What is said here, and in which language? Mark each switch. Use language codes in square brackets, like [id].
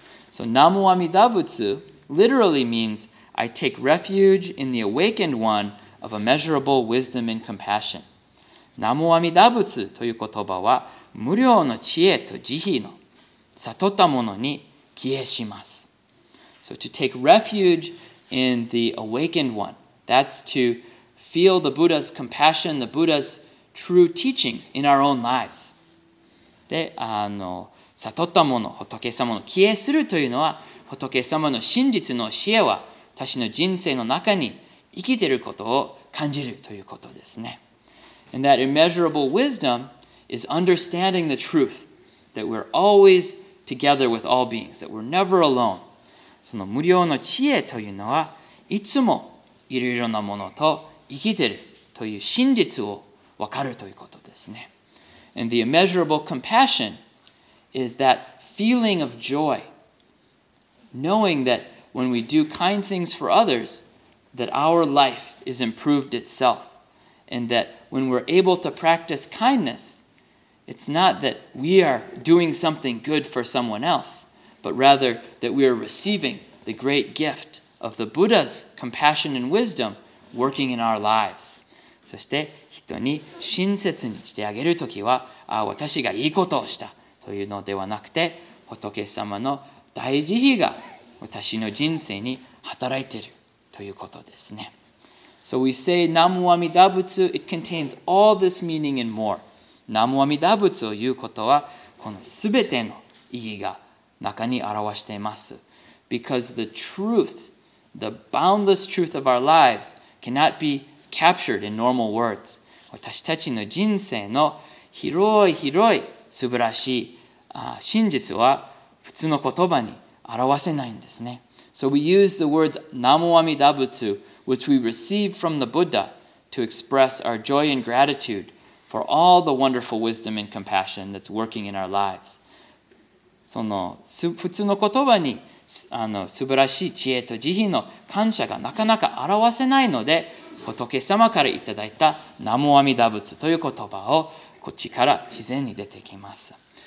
[en] So Namu Amida Butsu literally means,I take refuge in the awakened one of immeasurable wisdom and compassion. [ja] ナムアミダ仏という言葉は無量の知恵と慈悲の悟ったものに帰依します。 [en] So to take refuge in the awakened one, that's to feel the Buddha's compassion, the Buddha's true teachings in our own lives. [ja] で、悟ったもの、仏様の帰依するというのは仏様の真実の知恵は私の人生の中に生きていることを感じるということですね。 [en] And that immeasurable wisdom is understanding the truth that we're always together with all beings, that we're never alone. [ja] その無量の知恵というのは、いつもいろいろなものと生きているという真実を分かるということですね。 [en] And the immeasurable compassion is that feeling of joy, knowing thatWhen we do kind things for others, that our life is improved itself. And that when we're able to practice kindness, it's not that we are doing something good for someone else, but rather that we are receiving the great gift of the Buddha's compassion and wisdom working in our lives. [ja] そして人に親切にしてあげるときは、私がいいことをしたというのではなくて、仏様の大慈悲が私の人生に働いているということですね。 [en] So we say Namu Amida Butsu, it contains all this meaning and more. [ja] Namu Amida Butsu を言うことは、このすべての意義が中に表しています。 [en] Because the truth, the boundless truth of our lives cannot be captured in normal words. [ja] 私たちの人生の広い広い素晴らしい真実は普通の言葉に表せないんですね。 [en] So we use the words Namo Amida Butsu, which we receive from the Buddha, to express our joy and gratitude for all the wonderful wisdom and compassion that's working in our lives. [ja] その普通の言葉に素晴らしい知恵と慈悲の感謝がなかなか表せないので、仏様からいただいた Namo Amida Butsu という言葉をこっちから自然に出てきます。